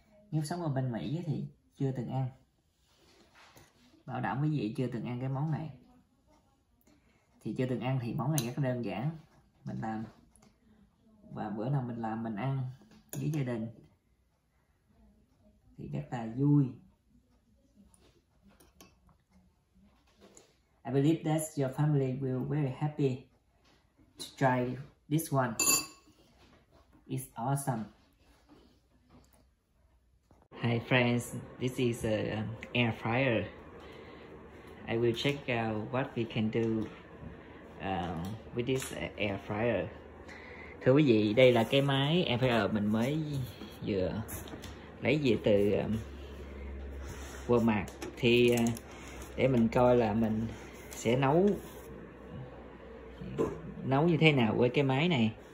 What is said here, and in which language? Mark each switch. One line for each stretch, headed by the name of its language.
Vietnamese: Nếu sống ở bên Mỹ thì chưa từng ăn. Bảo đảm quý vị chưa từng ăn cái món này. Thì chưa từng ăn thì món này rất đơn giản. Mình làm, và bữa nào mình làm mình ăn với gia đình thì rất là vui.
English: I believe that your family will be very happy to try this one. It's awesome. Hi friends, this is a air fryer. I will check out what we can do with this air fryer.
Vietnamese: Thưa quý vị, đây là cái máy air fryer mình mới vừa lấy về từ Walmart. Thì để mình coi là mình sẽ nấu như thế nào với cái máy này.